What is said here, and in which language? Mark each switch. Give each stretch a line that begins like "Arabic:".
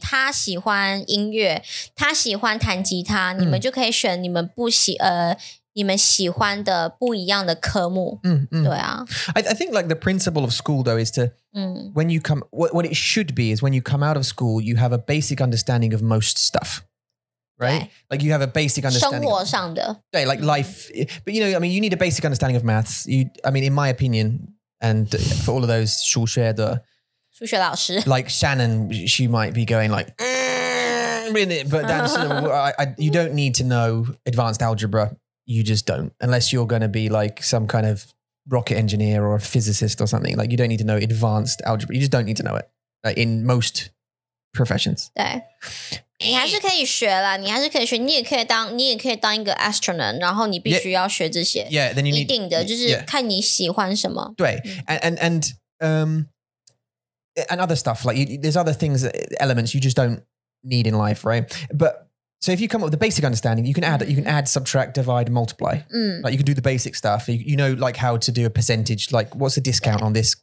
Chinese: 他喜欢音乐他喜欢弹吉他、mm. 你们就可以选你们不喜你们喜欢的不一样的科目、 mm-hmm. 对啊
English: I think like the principle of school though is to、mm. when you come what it should be is when you come out of school you have a basic understanding of most stuff right like you have a basic understanding
Chinese: 生活上的
English: of,
Chinese: 对
English: like life but you know I mean you need a basic understanding of maths you I mean in my opinion and for all of those
Chinese: 数学的数学老师
English: like Shannon she might be going likebut that's you don't need to know advanced algebraYou just don't, unless you're going to be like some kind of rocket engineer or a physicist or something. Like, you don't need to know advanced algebra. You just don't need to know it, like, in most professions.
Chinese: 对，你还是可以学啦，你还是可以学，你也可以当一个 astronaut, 然后你必须要学这些。
English: Yeah, then you need,
Chinese: 一定的，就是看你喜欢什么。对，
English: and other stuff, like, there's other things, elements you just don't need in life, right? But... So if you come up with a basic understanding, you can add, subtract, divide, multiply.、 Mm. Like you can do the basic stuff. You know, like how to do a percentage, like what's the discount、yeah. on this?